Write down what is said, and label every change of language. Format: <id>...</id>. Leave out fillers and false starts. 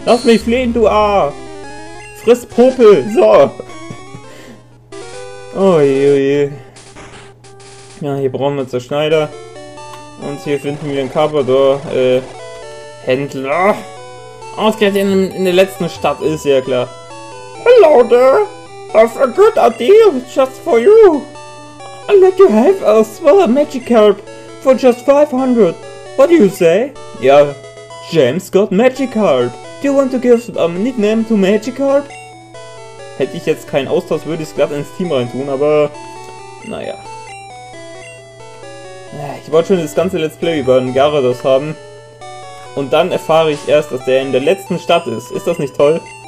<de>Lass mich fliehen, du A! Friss Popel! So! Oje, oje. Ja, hier brauchen wir zwei Schneider. Und hier finden wir einen Carpador, Händler. Ausgerechnet in der letzten Stadt, ist ja klar.</de> <en>Hello there! That's a good idea just for you! I'll let you have a smaller Magikarp for just 500. What do you say? Ja, James got Magikarp. Do you want to give a nickname to Magikarp?</en> <de>Hätte ich jetzt keinen Austausch, würde ich es glatt ins Team reintun, aber... Naja. Ich wollte schon das ganze Let's Play über einen Gyarados haben. Und dann erfahre ich erst, dass der in der letzten Stadt ist. Ist das nicht toll?</de>